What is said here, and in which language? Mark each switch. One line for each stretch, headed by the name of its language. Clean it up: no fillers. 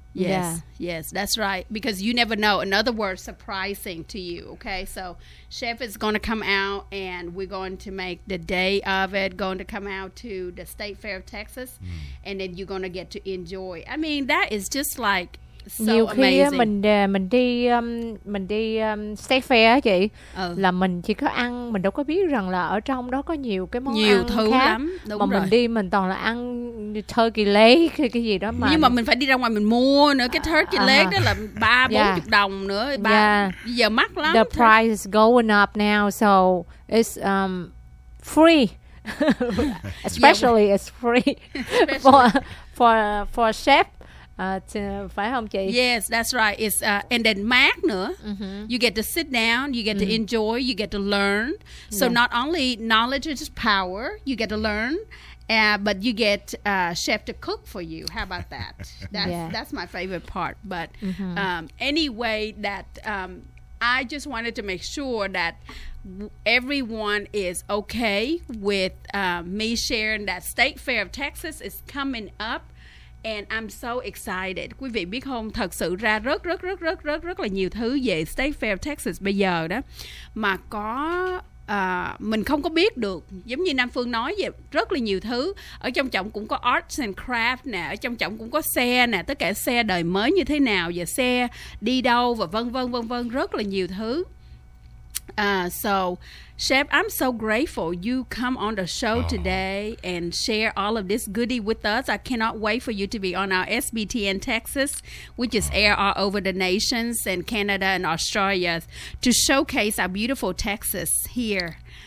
English: Yes, that's right. Because you never know. In other words, surprising to you, okay? So Chef is going to come out, and we're going to make the day of it, going to come out to the State Fair of Texas, and then you're going to get to enjoy. I mean, that is just like so
Vietnamese: nhiều khi
English: amazing.
Vietnamese: Mình đi State Fair chị, là mình chỉ có ăn, mình đâu có biết rằng là ở trong đó có nhiều cái món nhiều ăn thứ khác lắm. Mà rồi. Mình đi mình toàn là ăn turkey leg hay cái gì đó mà. Nhưng mà mình phải đi ra ngoài mình mua nữa. Cái turkey leg đó là 30-40 đồng nữa. Bây giờ mắc lắm.
English: The price is going up now, so it's free. Especially it's free. Especially. For a chef.
Vietnamese: Phải không chị?
English: Yes, that's right. It's and then math nữa. Mm-hmm. You get to sit down, you get to enjoy, you get to learn. So yeah. Not only knowledge is power, you get to learn, but you get a chef to cook for you. How about that? That's my favorite part. But anyway, that I just wanted to make sure that everyone is okay with me sharing that State Fair of Texas is coming up. And I'm so excited.
Vietnamese: Quý vị biết không, thật sự ra rất là nhiều thứ về State Fair of Texas bây giờ đó. Mà có, mình không có biết được. Giống như Nam Phương nói vậy, rất là nhiều thứ. Ở trong trọng cũng có arts and craft nè, ở trong trọng cũng có xe nè, tất cả xe đời mới như thế nào, và xe đi đâu, và vân vân, rất là nhiều thứ.
English: So, Chef, I'm so grateful you come on the show today and share all of this goodie with us. I cannot wait for you to be on our SBTN Texas, which is air all over the nations and Canada and Australia, to showcase our beautiful Texas here.